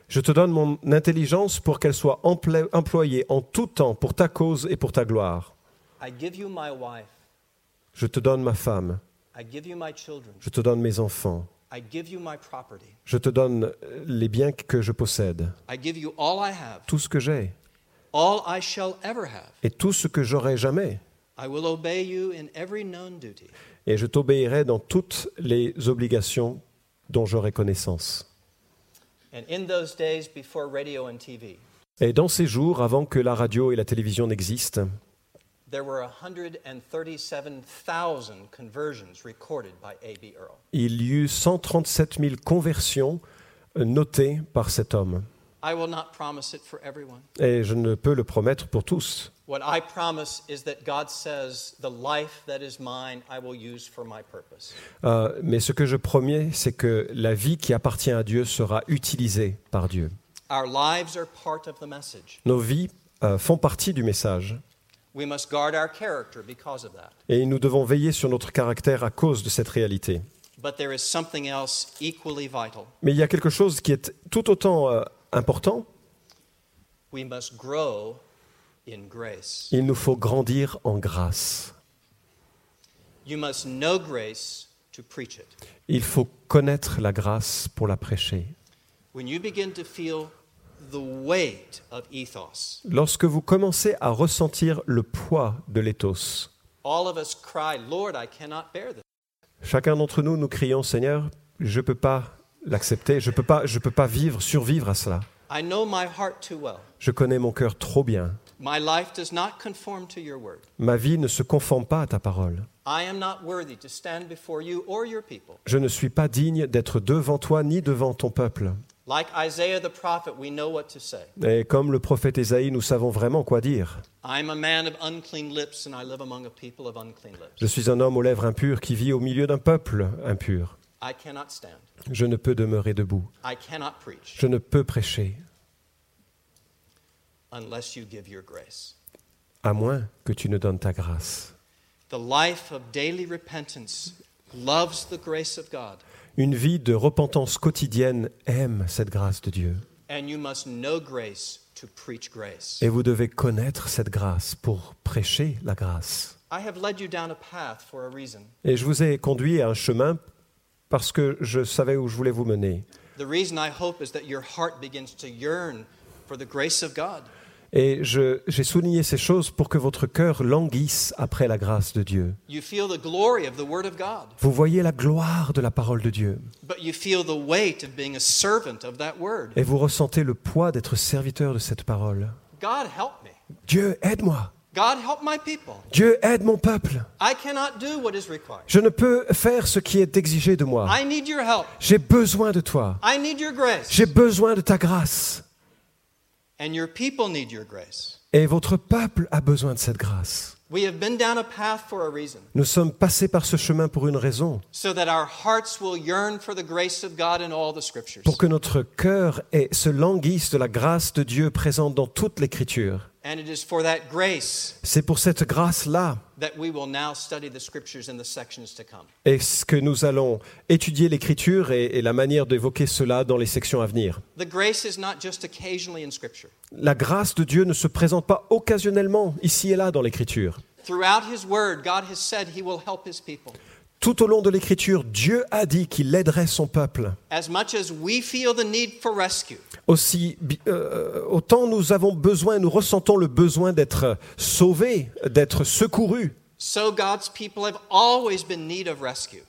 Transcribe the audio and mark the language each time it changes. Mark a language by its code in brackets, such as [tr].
[fr] Je te donne mon intelligence pour qu'elle soit employée en tout temps pour ta cause et pour ta gloire. [en] I give you my wife. [fr] Je te donne ma femme. [en] I give you my children. [fr] Je te donne mes enfants. [en] I give you my property. [fr] Je te donne les biens que je possède. [en] I give you all I have. [fr] Tout ce que j'ai. [en] All I shall ever have. [fr] Et tout ce que j'aurai jamais. [en] I will obey you in every known duty. [fr] Et je t'obéirai dans toutes les obligations dont j'aurai connaissance. [en] And in those days before radio and TV, [fr] et dans ces jours, avant que la radio et la télévision n'existent, [en] there were 137,000 conversions recorded by A.B. Earl. [fr] Il y eut 137 000 conversions notées par cet homme. [en] I will not promise it for everyone. [fr] Et je ne peux le promettre pour tous. [en] What I promise is that God says, the life that is mine, I will use for my purpose. [fr] Mais ce que je promets, c'est que la vie qui appartient à Dieu sera utilisée par Dieu. [en] Our lives are part of the message. [fr] Nos vies font partie du message. [en] We must guard our character because of that. [fr] Et nous devons veiller sur notre caractère à cause de cette réalité. [en] But there is something else equally vital. [fr] Mais il y a quelque chose qui est tout autant important. [en] We must grow in grace. [fr] Il nous faut grandir en grâce. [en] You must know grace to preach it. [fr] Il faut connaître la grâce pour la prêcher. [en] When you begin to feel the weight of ethos, [fr] lorsque vous commencez à ressentir le poids de l'éthos, [en] all of us cry, Lord, I cannot bear this. [fr] Chacun d'entre nous, nous crions, Seigneur, je ne peux pas l'accepter, je ne peux pas vivre, survivre à cela. [en] I know my heart too well. [fr] Je connais mon cœur trop bien. [en] My life does not conform to your word. [fr] Ma vie ne se conforme pas à ta parole. [en] I am not worthy to stand before you or your people. [fr] Je ne suis pas digne d'être devant toi ni devant ton peuple. [en] Like Isaiah the prophet, we know what to say. [fr] Et comme le prophète Ésaïe, nous savons vraiment quoi dire. [en] I'm a man of unclean lips and I live among a people of unclean lips. [fr] Je suis un homme aux lèvres impures qui vit au milieu d'un peuple impur. [en] I cannot stand. [fr] Je ne peux demeurer debout. [en] I cannot preach. [fr] Je ne peux prêcher. [en] Unless you give your grace. [fr] À moins que tu ne donnes ta grâce. [en] The life of daily repentance loves the grace of God. [fr] Une vie de repentance quotidienne aime cette grâce de Dieu. [en] And you must know grace to preach grace. [fr] Et vous devez connaître cette grâce pour prêcher la grâce. [en] I have led you down a path for a reason. [fr] Et je vous ai conduit à un chemin parce que je savais où je voulais vous mener. [en] The reason I hope is that your heart begins to yearn for the grace of God. [fr] Et j'ai souligné ces choses pour que votre cœur languisse après la grâce de Dieu. [en] You feel the glory of the word of God. [fr] Vous voyez la gloire de la parole de Dieu. [en] But you feel the weight of being a servant of that word. [fr] Et vous ressentez le poids d'être serviteur de cette parole. [en] God help me. [fr] Dieu, aide-moi. [en] God help my people. [fr] Dieu, aide mon peuple. [en] I cannot do what is required. [fr] Je ne peux faire ce qui est exigé de moi. [en] I need your help. [fr] J'ai besoin de toi. [en] I need your grace. [fr] J'ai besoin de ta grâce. [en] And your people need your grace. [fr] Et votre peuple a besoin de cette grâce. [en] We have been down a path for a reason. [fr] Nous sommes passés par ce chemin pour une raison. [en] So that our hearts will yearn for the grace of God in all the scriptures. [fr] Pour que notre cœur se languisse de la grâce de Dieu présente dans toute l'Écriture. [en] And it is for that grace. [fr] C'est pour cette grâce-là. [en] That we will now study the scriptures in the sections to come. [fr] Et ce que nous allons étudier l'Écriture et la manière d'évoquer cela dans les sections à venir. [en] The grace is not just occasionally in scripture. [fr] La grâce de Dieu ne se présente pas occasionnellement ici et là dans l'Écriture. [en] Throughout his word, God has said he will help his people. [fr] Tout au long de l'Écriture, Dieu a dit qu'il aiderait son peuple. [en] As much as we feel the need for rescue. [fr] Aussi, autant nous avons besoin, nous ressentons le besoin d'être sauvés, d'être secourus. [en] So God's people have always been in need of rescue.